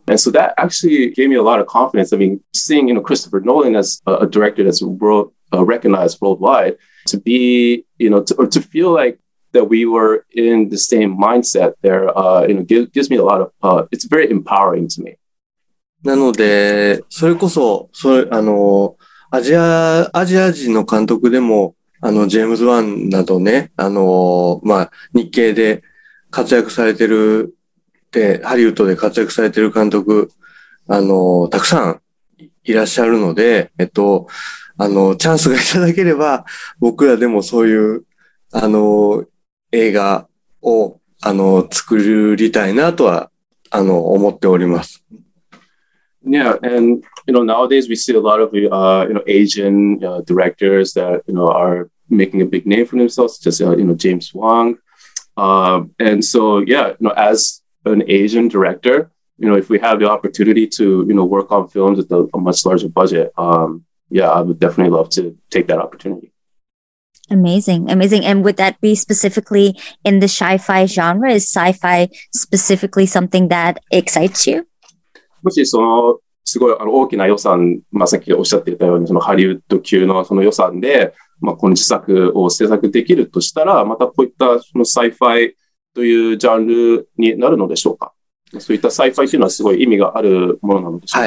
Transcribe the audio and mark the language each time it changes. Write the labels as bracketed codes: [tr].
[en] And so that actually gave me a lot of confidence. I mean, seeing, you know, Christopher Nolan as a director that's recognized worldwide, to be, you know, to feel like that we were in the same mindset there, you know, gives me a lot of, it's very empowering to me. [ja] なので、それこそ、それ、アジア人の監督でも、ジェームズ・ワンなどね、まあ、日系で活躍されてるって、ハリウッドで活躍されてる監督、たくさんいらっしゃるので、チャンスがいただければ、僕らでもそういう、映画を、作りたいなとは、思っております。 [en] Yeah, and you know, nowadays we see a lot of Asian directors that you know are making a big name for themselves, just James Wong. And so yeah, you know, as an Asian director, you know, if we have the opportunity to you know work on films with a much larger budget, I would definitely love to take that opportunity. Amazing, amazing. And would that be specifically in the sci-fi genre? Is sci-fi specifically something that excites you? [ja] もしそのすごい大きな予算、まあ、さっきおっしゃっていたようにそのハリウッド級のその予算で、まあ、この自作を制作できるとしたら、またこういったそのサイファイというジャンルになるのでしょうか。そういったサイファイというのはすごい意味があるものなのでしょうか。